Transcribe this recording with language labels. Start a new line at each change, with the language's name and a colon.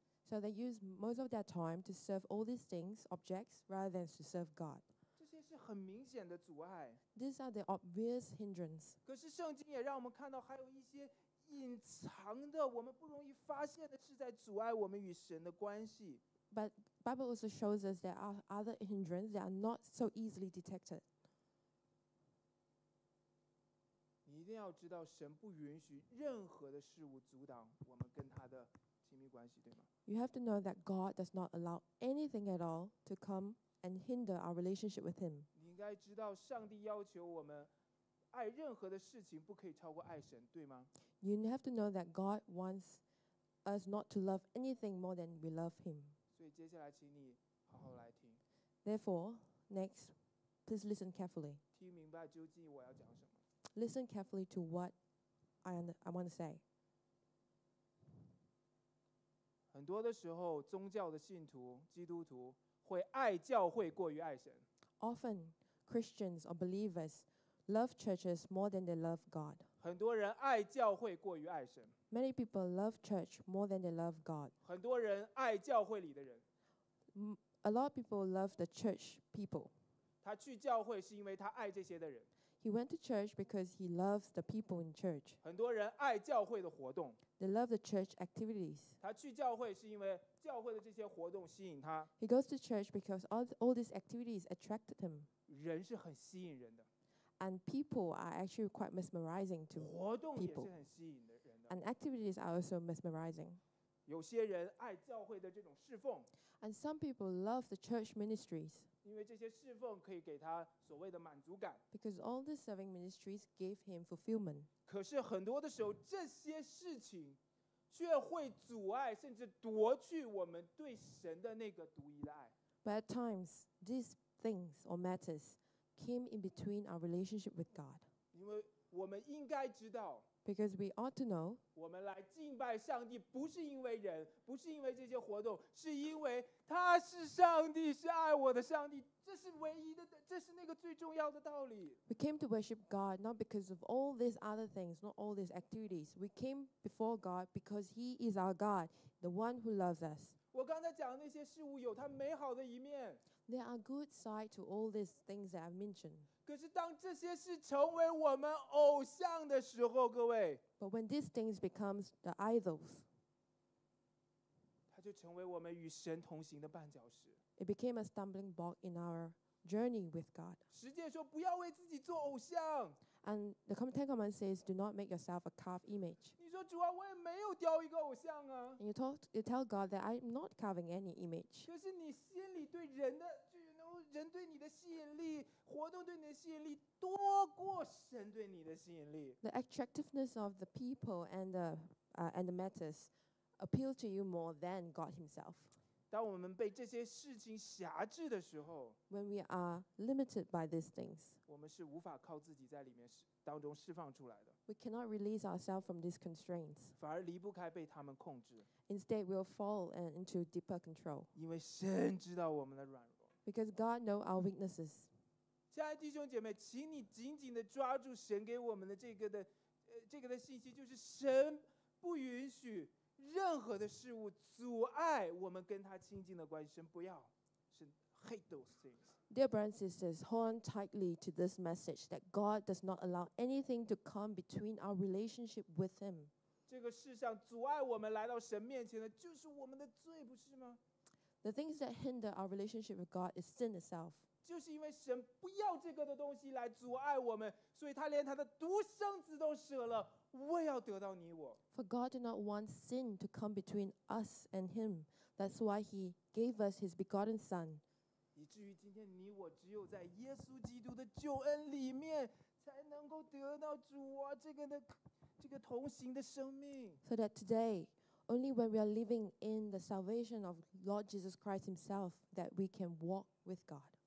English: So they use most of their time to serve all these things, objects, rather than to serve God.
Chinese: 这是很明显的阻碍。
English: These are the obvious hindrances.
Chinese: 可是圣经也让我们看到，还有一些隐藏的，我们不容易发现的，是在阻碍我们与神的关系。
English: But Bible also shows us there are other hindrances that are not so easily detected.
Chinese: 你一定要知道，神不允许任何的事物阻挡我们跟他的亲密关系，对吗
English: ？You have to know that God does not allow anything at all to come. And hinder our relationship with Him.
Chinese: 你应该知道，上帝要求我们爱任何的事情不可以超过爱神，对吗
English: ？You have to know that God wants us not to love anything more than we love him.
Chinese: 所以接下来请你好好来听。
English: Therefore, next, please listen carefully.
Chinese: 听明白究竟我要讲什么。
English: Listen carefully to what I want to say.
Chinese: 很多的时候，宗教的信徒，基督徒，会爱教会过于爱神。
English: Often, Christians or believers love churches more than they love God.
Chinese: 很多人爱教会过于爱神。
English: Many people love church more than they love God.
Chinese: 很多人爱教会里的人。
English: A lot of people love the church people.
Chinese: 他去教会是因为他爱这些的人。
English: He went to church because he loves the people in church.
Chinese: 很多人爱教会的活动。
English: They love the church activities.
Chinese: 他去教会是因为教会的这些活动吸引他。
English: He goes to church because all these activities attracted him.
Chinese: 人是很吸引人的。
English: And people are actually quite mesmerizing to people.
Chinese: 活动也是很吸引的人的。
English: And activities are also mesmerizing.
Chinese: 有些人爱教会的这种侍奉。
English: And some people love the church ministries.
Chinese: 因为这些侍奉可以给他所谓的满足感。
English: Because all the serving ministries gave him fulfillment.
Chinese: 可是很多的时候，这些事情却会阻碍甚至夺去我们对神的那个独一的爱。
English: But at times, these things or matters came in between our relationship with God.
Chinese: 因为我们应该知道。
English: Because we ought to know.
Chinese: 我们来敬拜上帝不是因为人，不是因为这些活动，是因为他是上帝，是爱我的上帝，这是唯一的，这是那个最重要的道理。
English: We came to worship God not because of all these other things, not all these activities. We came before God because he is our God, the one who loves us.
Chinese: 我刚才讲的那些事物有它美好的一面。
English: There are good side to all these things that I've mentioned.
Chinese: 可是当这些事成为我们偶像的时候，各位
English: ，But when these things become the idols，
Chinese: 它就成为我们与神同行的绊脚石。
English: It became a stumbling block in our journey with God。
Chinese: 十诫说不要为自己做偶像。
English: And the Ten Commandments says, "Do not make yourself a carved image."
Chinese: 你说主啊，我也没有雕一个偶像啊。
English: And you tell God that I'm not carving any image。
Chinese: 可是你心里对人的人对你的吸引力，活动对你的吸引力，多过神对你的吸引力。
English: The attractiveness of the people and the matters appeal to you more than God Himself.
Chinese: 当我们被这些事情辖制的时候
English: ，When we are limited by these things，
Chinese: 我们是无法靠自己在里面当中释放出来的。
English: We cannot release ourselves from these constraints，
Chinese: 反而离不开被他们控制。
English: Instead, we'll fall into deeper control，
Chinese: 因为神知道我们的软弱。
English: Because God knows our weaknesses.
Chinese: 亲爱的弟兄姐妹，请你紧紧的抓住神给我们的这个的信息，就是神不允许任何的事物阻碍我们跟他亲近的关系。神不要，神
English: hate those things. Dear brothers and sisters, hold on tightly to this message that God does not allow anything to come between our relationship with Him.
Chinese: 这个世上阻碍我们来到神面前的，就是我们的罪，不是吗？
English: The things that hinder our relationship with God is sin itself.
Chinese: 就是因为神不要这个的东西来阻碍我们，所以他连他的独生子都舍了，为要得到你我。
English: For God did not want sin to come between us and Him. That's why He gave us His begotten Son.
Chinese: 以至于今天你我只有在耶稣基督的救恩里面，才能够得到主啊这个同行的生命。
English: So that today. Only when we are living in the salvation of Lord Jesus Christ Himself that we can walk with God.